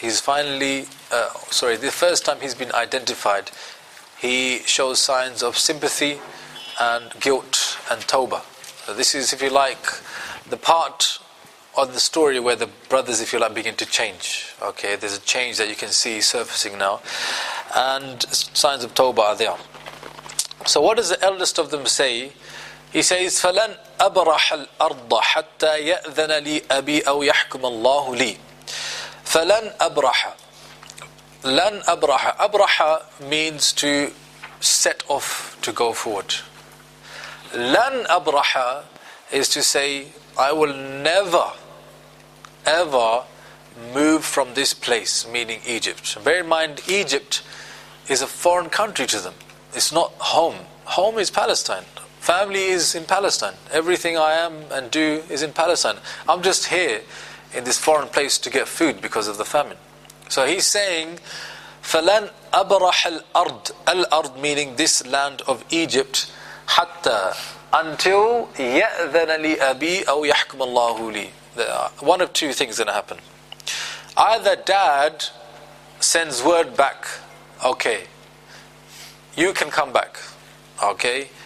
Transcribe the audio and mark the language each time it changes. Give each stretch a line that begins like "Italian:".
English: He's finally, the first time he's been identified, he shows signs of sympathy and guilt and tawbah. So this is, if you like, the part of the story where the brothers, if you like, begin to change. Okay, there's a change that you can see surfacing now. And signs of tawbah are there. So what does the eldest of them say? He says,
Arabic: فَلَنْ أَبْرَحَ الْأَرْضَ حَتَّى يَأْذَنَ لِي أَبِي أَوْ يَحْكُمَ اللَّهُ لِي. فَلَنْ أَبْرَحَ. لَنْ أَبْرَحَ.
English: أَبْرَحَ means to set off, to go forward.
Arabic: لَنْ أَبْرَحَ
English: is to say, I will never, ever move from this place, meaning Egypt. Bear in mind, Egypt is a foreign country to them. It's not home. Home is Palestine. Family is in Palestine. Everything I am and do is in Palestine. I'm just here in this foreign place to get food because of the famine. So he's saying,
Arabic: فَلَنْ أَبْرَحَ الْأَرْضِ.
English: الْأَرْضِ meaning this land of Egypt.
Arabic: حَتَّى until يَأْذَنَ لِي أَبِي أَوْ يَحْكُمَ اللَّهُ لِي.
English: One of two things going to happen. Either dad sends word back, okay, you can come back, okay.